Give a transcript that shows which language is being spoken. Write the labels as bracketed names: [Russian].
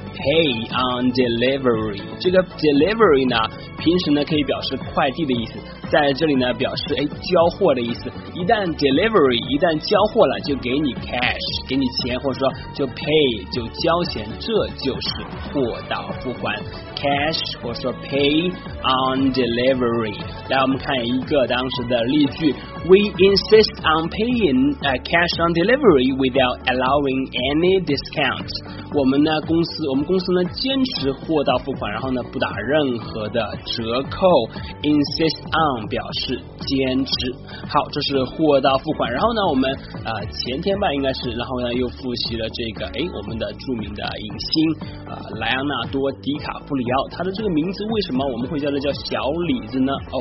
[Chinese] pay on delivery， 这个 delivery 呢，平时呢可以表示快递的意思，在这里呢表示交货的意思。一旦 delivery， 一旦交货了，就给你 cash， 给你钱，或者说就 pay， 就交钱，这就是货到付款。 cash 或者说 pay on delivery。来，我们看一个当时的例句。 [English] We insist on paying cash on delivery without allowing any discounts. [Chinese] 我们公司呢坚持货到付款，然后呢不打任何的折扣。 Insist on 表示坚持。好，这是货到付款。然后呢，我们前天吧应该是，然后呢又复习了这个我们的著名的影星莱昂纳多·迪卡普里奥，他的这个名字为什么我们会叫小李子呢？